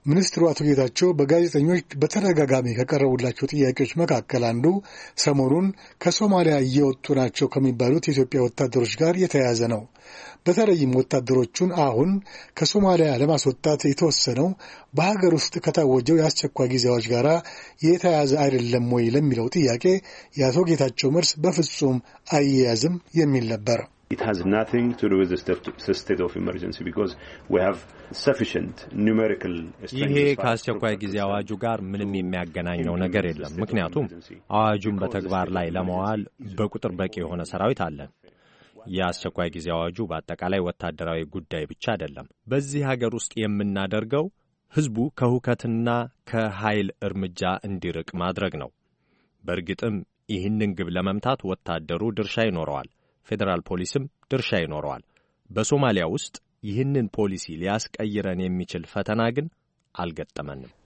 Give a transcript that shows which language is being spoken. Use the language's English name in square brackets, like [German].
[Amharic] ሚኒስትሩ አቶ ጌታቸው በጋዜጠኞች በተደጋጋሚ ከቀረቡላቸው ጥያቄዎች መካከል አንዱ ሰሞኑን ከሶማሊያ እየወጡ ናቸው ከሚባሉት የኢትዮጵያ ወታደሮች ጋር የተያያዘ ነው። በተለይም ወታደሮቹን አሁን ከሶማሊያ ለማስወጣት የተወሰነው በሀገር ውስጥ ከታወጀው የአስቸኳይ ጊዜዎች ጋር የተያያዘ አይደለም ወይ ለሚለው ጥያቄ የአቶ ጌታቸው መልስ በፍጹም አይያዝም የሚል ነበር። [English] It has nothing to do with the state of emergency because we have sufficient numerical strength. [Amharic] ይሄ ከአስቸኳይ ጊዜ አዋጁ ጋር ምንም የሚያገናኘው ነገር የለም። ምክንያቱም አዋጁን በተግባር ላይ ለማዋል በቁጥር በቂ የሆነ ሰራዊት አለን። የአስቸኳይ ጊዜ አዋጁ በአጠቃላይ ወታደራዊ ጉዳይ ብቻ አይደለም። በዚህ ሀገር ውስጥ የምናደርገው ህዝቡ ከሁከትና ከኃይል እርምጃ እንዲርቅ ማድረግ ነው። በእርግጥም ይህንን ግብ ለመምታት ወታደሩ ድርሻ ይኖረዋል። ፌዴራል ፖሊስም ድርሻ ይኖረዋል። በሶማሊያ ውስጥ ይህንን ፖሊሲ ሊያስቀይረን የሚችል ፈተና ግን አልገጠመንም።